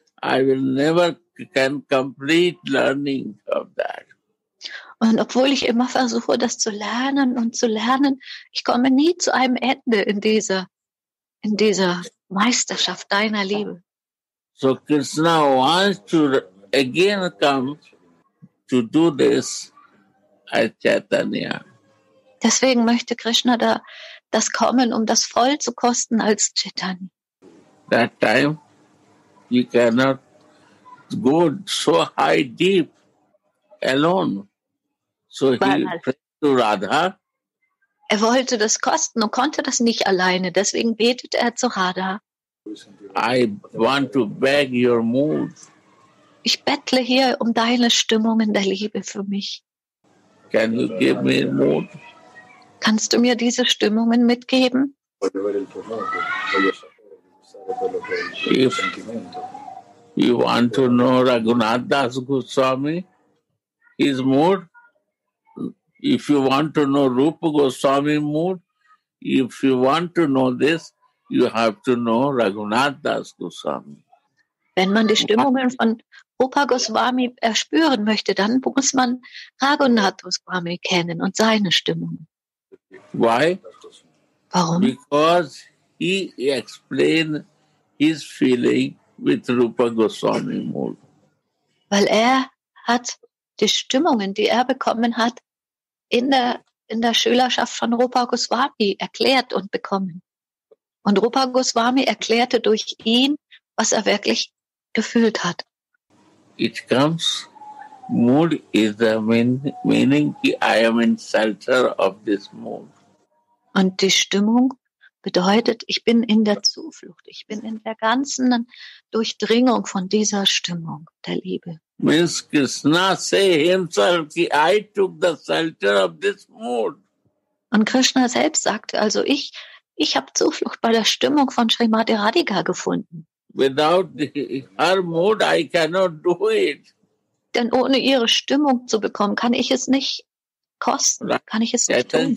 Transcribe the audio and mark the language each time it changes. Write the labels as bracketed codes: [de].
[en] I will never can complete learning of that. [de] Und obwohl ich immer versuche, das zu lernen, ich komme nie zu einem Ende in dieser Meisterschaft deiner Liebe. [en] So Krishna wants to again come to do this as Chaitanya. [de] Deswegen möchte Krishna da das kommen, um das voll zu kosten als Chaitanya. [en] That time you cannot go so high deep alone. So he prayed to Radha. [de] Er wollte das kosten und konnte das nicht alleine. Deswegen betete er zu Radha. [en] I want to beg your mood. [de] Ich bettle hier um deine Stimmung in der Liebe für mich. [en] Can you give me mood? [de] Kannst du mir diese Stimmungen mitgeben? [en] If you want to know Raghunath Das Goswami, his mood, if you want to know Rupa Goswami's mood, if you want to know this, you have to know Raghunath Das Goswami. [de] Wenn man die Stimmungen von Rupa Goswami erspüren möchte, dann muss man Raghunath Goswami kennen und seine Stimmungen. [en] Why? [de] Warum? [en] Because he explained his feeling with Rupa Goswami mood. [de] Weil er hat die Stimmungen, die er bekommen hat, in der Schülerschaft von Rupa Goswami erklärt und bekommen. Und Rupa Goswami erklärte durch ihn, was er wirklich gefühlt hat. [en] It comes, mood is the meaning, I am in shelter of this mood. [de] Und die Stimmung bedeutet, ich bin in der Zuflucht, ich bin in der ganzen Durchdringung von dieser Stimmung der Liebe. [en] Means Krishna say himself, I took the shelter of this mood. [de] Und Krishna selbst sagte also, ich habe Zuflucht bei der Stimmung von Srimati Radhika gefunden. [en] Without her mood, I cannot do it. [de] Denn ohne ihre Stimmung zu bekommen, kann ich es nicht kosten, kann ich es nicht tun.